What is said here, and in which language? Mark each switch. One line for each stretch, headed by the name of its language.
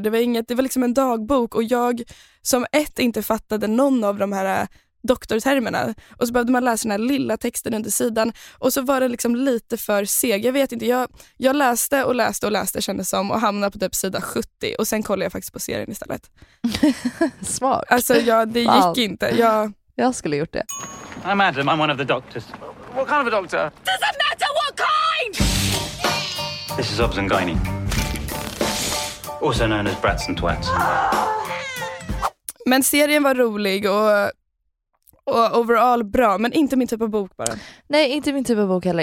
Swedish: Det var inget, det var liksom en dagbok. Och jag som ett inte fattade någon av de här doktortermerna. Och så behövde man läsa den här lilla texten under sidan. Och så var den liksom lite för seg. Jag vet inte, jag läste och läste och läste kändes som. Och hamnade på typ sida 70. Och sen kollade jag faktiskt på serien istället. Smart. Alltså ja, det wow. Gick inte. Jag skulle gjort det.
English: I'm Adam, I'm one of the doctors. What kind of a doctor? Does it matter what kind? This is Obs and Gyne. Also known as Brats and Twats.
Swedish: Men serien var rolig och overall bra, men inte min typ av bok bara. Nej, inte min typ av bok heller.